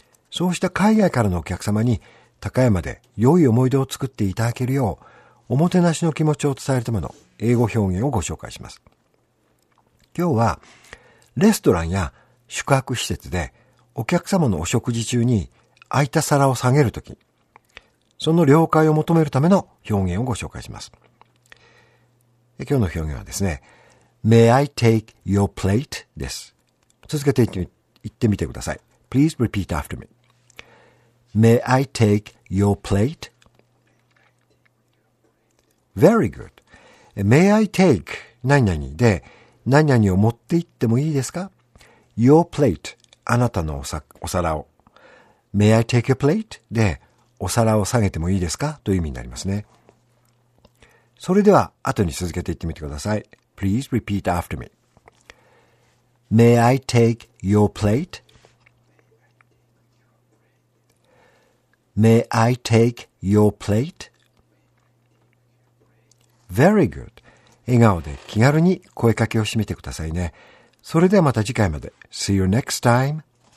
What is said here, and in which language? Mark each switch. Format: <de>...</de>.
<ja>そうした海外からのお客様に高山で良い思い出を作っていただけるよう、おもてなしの気持ちを伝えるための英語表現をご紹介します。今日はレストランや宿泊施設でお客様のお食事中に空いた皿を下げるとき、その了解を求めるための表現をご紹介します。今日の表現はですね、</ja> <en>May I take your plate?</en> <ja>です。続けて言ってみてください。</ja> <en>Please repeat after me.May I take your plate?Very good.May I take</en> <ja>何々で何々を持って行ってもいいですか</ja> <en>?Your plate</en> <ja>あなたのお皿を。</ja> <en>May I take your plate?</en> <ja>でお皿を下げてもいいですかという意味になりますね。それでは後に続けて言ってみてください。</ja> <en>Please repeat after me.May I take your plate?May I take your plate?Very good.</en> <ja>笑顔で気軽に声かけをしてみてくださいね。それではまた次回まで。</ja> <en>See you next time.</en>